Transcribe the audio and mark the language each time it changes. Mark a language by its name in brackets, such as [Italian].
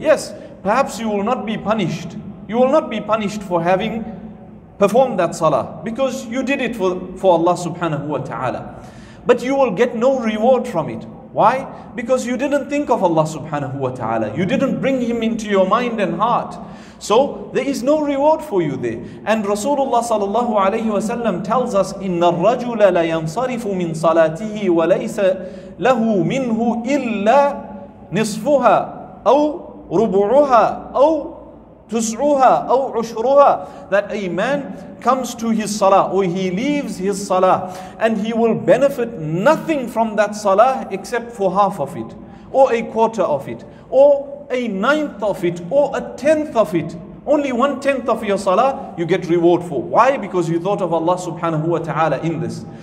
[English] Yes, perhaps you will not be punished. You will not be punished for having performed that salah because you did it for Allah subhanahu wa ta'ala. But you will get no reward from it. Why? Because you didn't think of Allah subhanahu wa ta'ala. You didn't bring Him into your mind and heart. So there is no reward for you there. And Rasulullah sallallahu alayhi wa sallam tells us, [Arabic] إِنَّ الرَّجُلَ لَيَنْصَرِفُ مِنْ صَلَاتِهِ وَلَيْسَ لَهُ مِنْهُ إِلَّا نِصْفُهَا أَوْ رُبُعُهَا أَوْ تُسْعُهَا أَوْ عُشْرُهَا. [English] That a man comes to his salah or he leaves his salah and he will benefit nothing from that salah except for half of it or a quarter of it or a ninth of it or a tenth of it. Only one tenth of your salah you get reward for. Why? Because you thought of Allah subhanahu wa ta'ala in this.